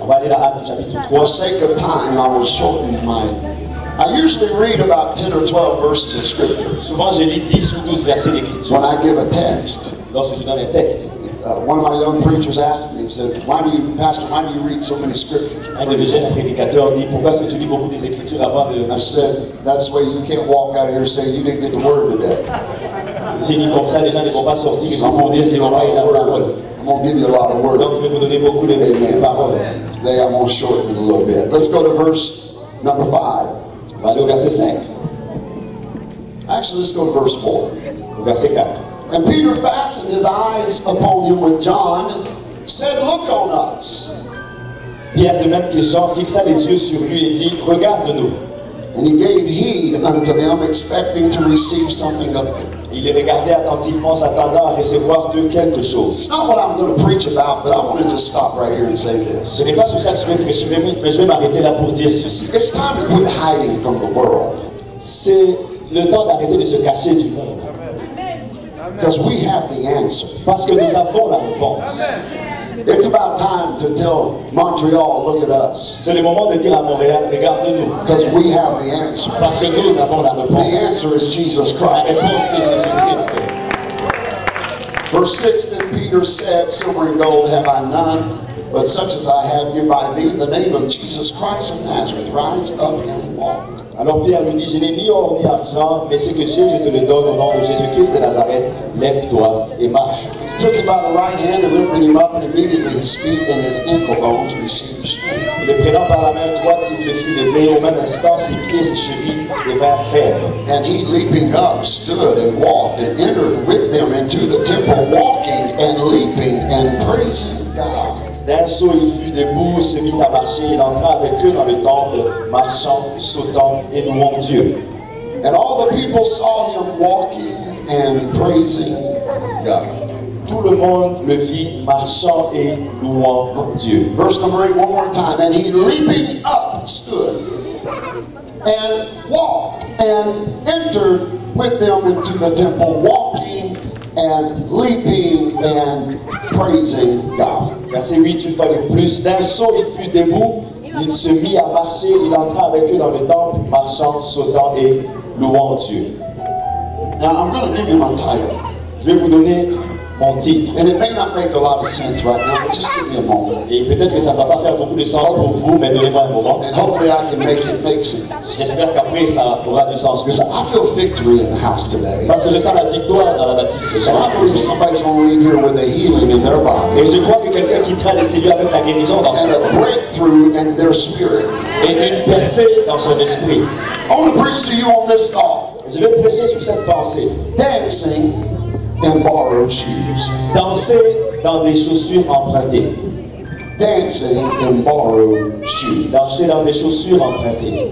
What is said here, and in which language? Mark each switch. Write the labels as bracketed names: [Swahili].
[French] On va aller à Acts chapitre 3. [English] For sake of time, I will shorten my. I usually read about 10 or 12 verses of scripture. [French] Souvent, je lis 10 ou 12 versets d'écriture. [English] When I give a text. [French] Lorsque je donne un texte. [English] One of my young preachers asked me, he said, why do you, Pastor, why do you read so many scriptures? [French] Un de mes jeunes prédicateurs dit, pourquoi est-ce que tu lis beaucoup des écritures avant de... [English] I said, that's the way you can't walk out of here and say you didn't get the word today. [French] J'ai dit, comme ça, les gens ne vont pas sortir, ils vont dire qu'ils vont pas y avoir la parole. [English] I'm going to give you a lot of words. [French] Donc, je vais vous donner beaucoup de paroles. [English] Today, I'm going to shorten it a little bit. Let's go to verse number 5. [French] On va aller au verset 5. [English] Actually, let's go to verse 4. [French] Au verset 4. [English] And Peter fastened his eyes upon him with John, and said, "Look on us." [French] Pierre de même que Jean fixa les yeux sur lui et dit, regarde-nous. [English] And he gave heed unto them, expecting to receive something of them. [French] Il les regardait attentivement, s'attendant à recevoir d'eux quelque chose. [English] It's not what I'm going to preach about, but I wanted to stop right here and say this. [French] Ce n'est pas sur ça que je vais prêcher, mais je vais m'arrêter là pour dire ceci. [English] It's time to quit hiding from the world. [French] C'est le temps d'arrêter de se cacher du monde. [English] Because we have the answer. [French] Parce que nous avons la réponse. [English] It's about time to tell Montreal, look at us. [French] C'est le moment de dire à Montréal, regarde-nous. [English] Because we have the answer. [French] Parce que nous avons la réponse. [English] The answer is Jesus Christ. [French] La réponse, c'est Jésus-Christ. [English] Verse 6, then Peter said, silver and gold have I none, but such as I have give I thee, in the name of Jesus Christ of Nazareth, rise up and walk. [French] Alors Pierre lui dit, je n'ai ni or ni argent, mais ce que j'ai, je te le donne au nom de Jésus-Christ de Nazareth. Lève-toi et marche. [English] He took him by the right hand and lifted him up, and immediately his feet and his ankle bones received strength. [French] Le prenant par la main droite, il le fit lever, au même instant, ses pieds, ses chevilles devinrent fermes. [English] And he leaping up, stood and walked, and entered with them into the temple, walking and leaping and praising God. [French] D'un saut, il fut debout, se mit à marcher, il entra avec eux dans le temple, marchant, sautant et louant Dieu. [English] And all the people saw him walking and praising God. [French] Tout le monde le vit marchant et louant Dieu. [English] Verse number 8, one more time. And he leaping up stood and walked and entered with them into the temple, walking and leaping and praising God. [French] Verset 8, une fois de plus, d'un saut il fut debout, il se mit à marcher, il entra avec eux dans le temple, marchant, sautant et louant Dieu. [English] Now I'm going to give you my title. [French] Je vais vous donner mon titre. [English] And it may not make a lot of sense right now, but just give me a moment. [French] Et peut-être que ça ne va pas faire beaucoup de sens pour vous, mais donnez-moi un moment. [English] And hopefully I can make it make sense. [French] J'espère qu'après ça aura du sens. [English] Because I feel victory in the house today. [French] Parce que je sens la victoire dans la bâtisse. [English] So I believe somebody's going to leave here with a healing in their body. [French] Et je crois que quelqu'un quittera le Seigneur avec la guérison dans son [English] esprit. And a breakthrough in their spirit. [French] Et une percée dans son esprit. [English] I want to preach to you on this thought. [French] Je vais prêcher sur cette pensée. [English] Dancing in borrowed shoes. [French] Danser dans des chaussures empruntées. [English] Dancing in borrowed shoes. [French] Danser dans des chaussures empruntées.